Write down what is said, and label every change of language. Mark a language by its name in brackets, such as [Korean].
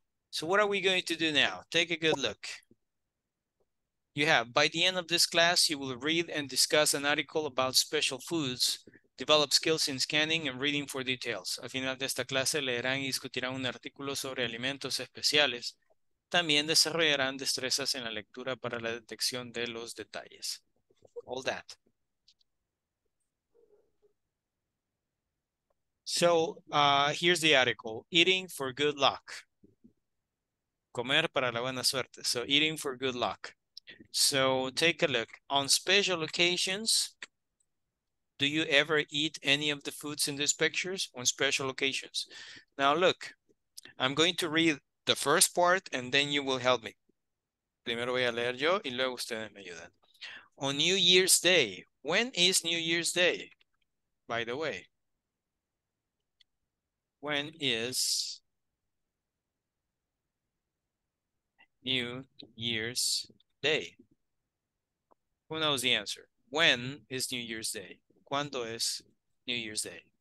[English] So what are we going to do now? Take a good look. You have, by the end of this class, you will read and discuss an article about special foods. Develop skills in scanning and reading for details. [Spanish] Al final de esta clase leerán y discutirán un artículo sobre alimentos especiales. También desarrollarán destrezas en la lectura para la detección de los detalles. [English] All that. So, here's the article. Eating for good luck. [Spanish] Comer para la buena suerte. [English] So, eating for good luck. So, take a look. On special occasions, do you ever eat any of the foods in these pictures on special occasions? Now look, I'm going to read the first part and then you will help me. [Spanish] Primero voy a leer yo y luego ustedes me ayudan. [English] On New Year's Day, when is New Year's Day? By the way, when is New Year's Day? Who knows the answer? When is New Year's Day? [Spanish] ¿Cuándo es [English] New Year's Day?